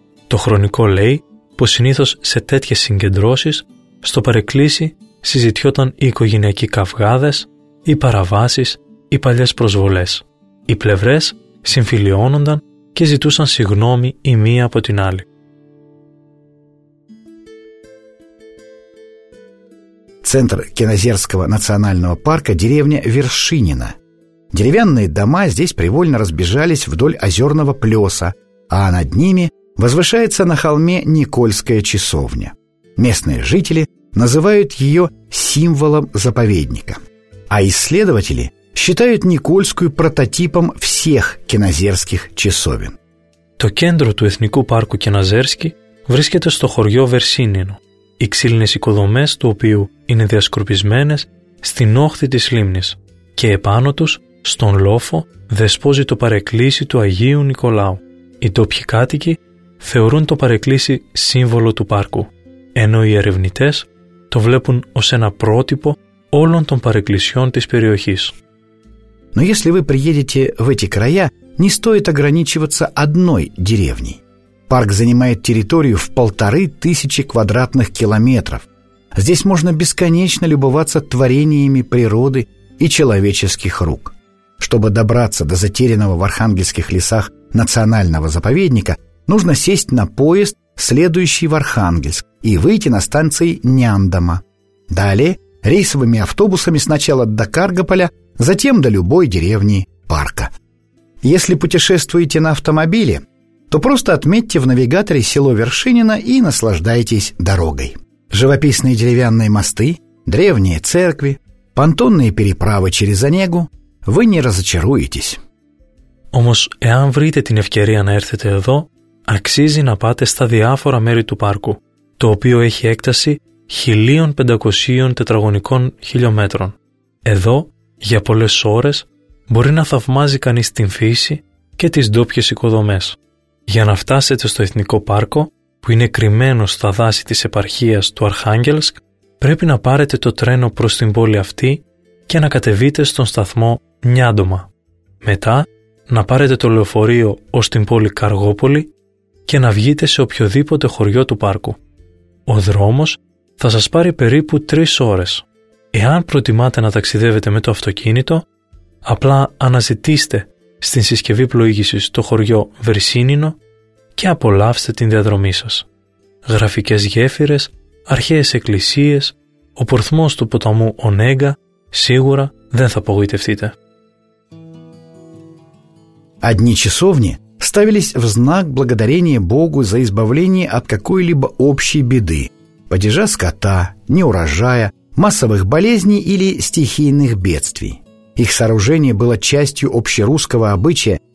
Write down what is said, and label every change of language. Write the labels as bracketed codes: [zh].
[el] Το χρονικό λέει πως συνήθως σε τέτοιες συγκεντρώσεις στο Παρεκκλήσι συζητιόταν οι οικογενειακοί καυγάδες, οι παραβάσεις, οι παλιές προσβολές. Οι πλευρές συμφιλιώνονταν και ζητούσαν συγγνώμη η μία από την άλλη. [ru] Центр Кенозерского национального парка – деревня Вершинина. Деревянные дома здесь привольно разбежались вдоль озерного плеса, а над ними возвышается на холме Никольская часовня. Местные жители называют ее символом заповедника. А исследователи считают Никольскую прототипом всех кенозерских часовен. [el] То кендру ту эθνικού парку Кенозерский врискете сто хорьё Вершинину. Οι ξύλινες οικοδομές του οποίου είναι διασκορπισμένες στην όχθη της λίμνης και επάνω τους, στον λόφο, δεσπόζει το παρεκκλήσι του Αγίου Νικολάου. Οι ντόπιοι κάτοικοι θεωρούν το παρεκκλήσι σύμβολο του πάρκου, ενώ οι ερευνητές το βλέπουν ως ένα πρότυπο όλων των παρεκκλησιών της περιοχής. [ru] Но если вы приедете в эти края, не стоит ограничиваться одной деревней. Парк занимает территорию в 1500 квадратных километров. Здесь можно бесконечно любоваться творениями природы и человеческих рук. Чтобы добраться до затерянного в архангельских лесах национального заповедника, нужно сесть на поезд, следующий в Архангельск, и выйти на станции Няндома. Далее рейсовыми автобусами сначала до Каргополя, затем до любой деревни парка. Если путешествуете на автомобиле, то просто отметьте в навигаторе село Вершинино и наслаждайтесь дорогой. Живописные деревянные мосты, древние церкви, понтонные переправы через Онегу – вы не разочаруетесь. [el] Όμως, εάν βρείτε την ευκαιρία να έρθετε εδώ, αξίζει να πάτε στα διάφορα μέρη του πάρκου, το οποίο έχει έκταση 1.500 τετραγωνικών χιλιομέτρων. Εδώ, για πολλές ώρες, μπορεί να θαυμάζει κανείς την φύση και τις ντόπιες οικοδομές. Για να φτάσετε στο Εθνικό Πάρκο, που είναι κρυμμένο στα δάση της επαρχίας του Αρχάγγελσκ, πρέπει να πάρετε το τρένο προς την πόλη αυτή και να κατεβείτε στον σταθμό Νιάντομα. Μετά, να πάρετε το λεωφορείο ως την πόλη Καργόπολη και να βγείτε σε οποιοδήποτε χωριό του πάρκου. Ο δρόμος θα σας πάρει περίπου 3 ώρες. Εάν προτιμάτε να ταξιδεύετε με το αυτοκίνητο, απλά αναζητήστε στην συσκευή πλοήγησης στο χωριό Βερσίνινο και απολαύστε την διαδρομή σας. Γραφικές γέφυρες, αρχαίες εκκλησίες, ο πορθμός του ποταμού Ονέγκα, σίγουρα δεν θα απογοητευτείτε. [ru] Одни часовни ставились в знак благодарения Богу за избавление от какой-либо общей беды, падежа скота, неурожая, массовых болезней или стихийных бедствий. Их сооружение было частью общерусского обычая